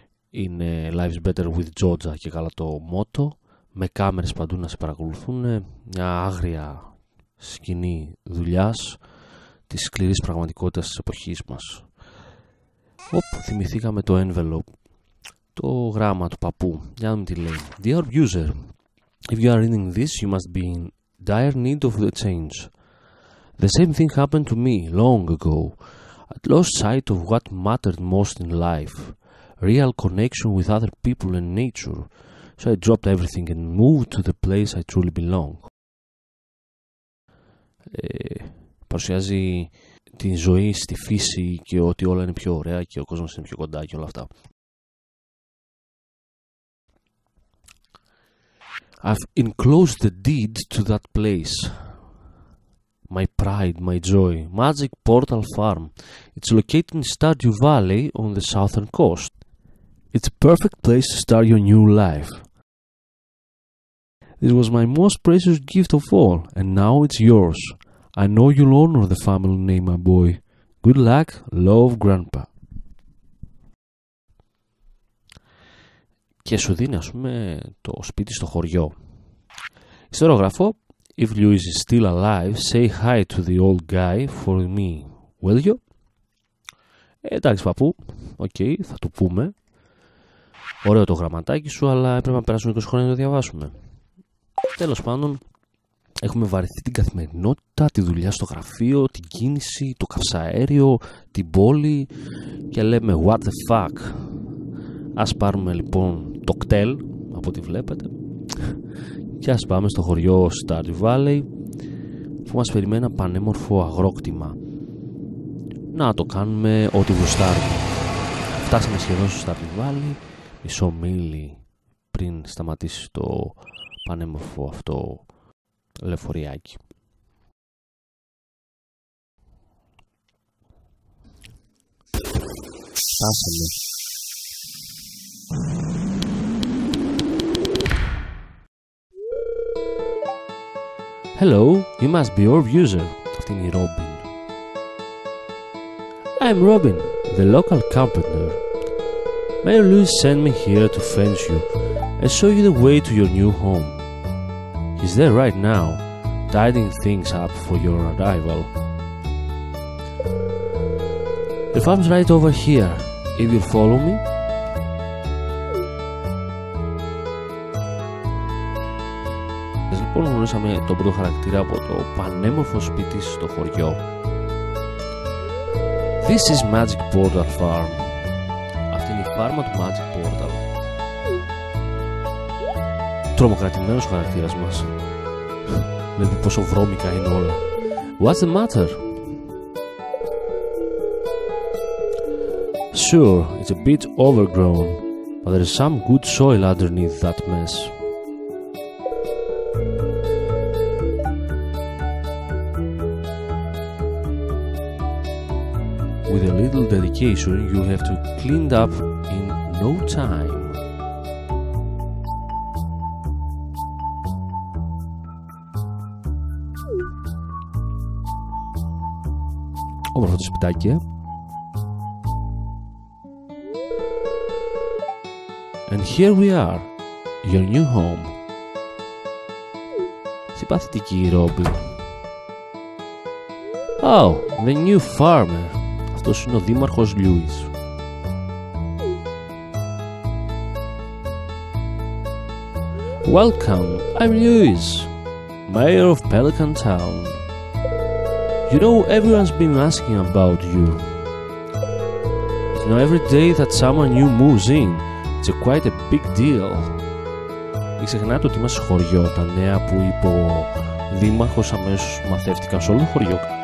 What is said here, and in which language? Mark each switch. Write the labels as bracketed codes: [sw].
[el] Είναι Life's Better with Georgia και καλά το μότο, με κάμερες παντού να σε παρακολουθούν, μια άγρια σκηνή δουλειάς της σκληρής πραγματικότητας της εποχής μας. Οπ, θυμηθήκαμε το envelope, το γράμμα του παππού, για να δούμε τι λέει. [en] Dear user, if you are reading this, you must be in dire need of the change. The same thing happened to me long ago. I lost sight of what mattered most in life, real connection with other people and nature. So I dropped everything and moved to the place I truly belong. [el] Παρουσιάζει τη ζωή στη φύση και ότι όλα είναι πιο ωραία και ο κόσμος είναι πιο κοντά και όλα αυτά. [en] I've enclosed the deed to that place. My pride, my joy. Magic Portal Farm. It's located in Stardew Valley on the southern coast. It's a perfect place to start your new life. This was my most precious gift of all, and now it's yours. I know you'll honor the family name, my boy. Good luck, love, Grandpa. [el] Και σου δίνει, ας πούμε, το σπίτι στο χωριό. Ιστερόγραφο. [en] If Louis is still alive, say hi to the old guy for me, will you? [el] Εντάξει, παππού. Okay, θα του πούμε. Ωραίο το γραμματάκι σου, αλλά έπρεπε να περάσουμε 20 χρόνια να το διαβάσουμε. Τέλος πάντων, έχουμε βαρεθεί την καθημερινότητα, τη δουλειά στο γραφείο, την κίνηση, το καυσαέριο, την πόλη και λέμε [en] what the fuck. [el] Ας πάρουμε λοιπόν το κτέλ, από ό,τι βλέπετε, και ας πάμε στο χωριό Stardew Valley, που μας περιμένει ένα πανέμορφο αγρόκτημα. Να το κάνουμε ό,τι γουστάρουμε. Φτάσαμε σχεδόν στο Stardew Valley, μισό μίλι πριν σταματήσει το πανέμορφο αυτό λεωφορείακι. Φτάσαμε. [en] Hello, you must be Orb user. [el] Αυτή είναι η Robin. [en] I'm Robin, the local carpenter. Mayor Louis sent me here to fetch you and show you the way to your new home. He's there right now, tidying things up for your arrival. The farm's right over here, if you follow me. [el] Λοιπόν, γνωρίσαμε τον πρώτο χαρακτήρα από το πανέμορφο σπίτι στο χωριό. [en] This is Magic Portal Farm. [el] Αυτή είναι η φάρμα του Magic Portal. Τρομοκρατημένος χαρακτήρας μας. Βλέπει πόσο βρώμικα είναι όλα. [en] What's the matter? Sure, it's a bit overgrown, but there's some good soil underneath that mess. With a little dedication, you have to clean up in no time. [el] Όμορφο το σπιτάκι. [en] And here we are, your new home. [el] Συμπαθητική η Ρόμπι. [en] Oh, the new farmer. [el] Αυτός είναι ο δήμαρχος Λιούις. [en] Welcome, I'm Louis, mayor of Pelican Town. You know, everyone's been asking about you. You know, every day that someone new moves in, it's a quite a big deal. [el] Μην ξεχνάτε ότι είμαστε χωριό. Τα νέα που είπε ο δήμαρχος αμέσως μαθεύτηκαν σε όλο το χωριό.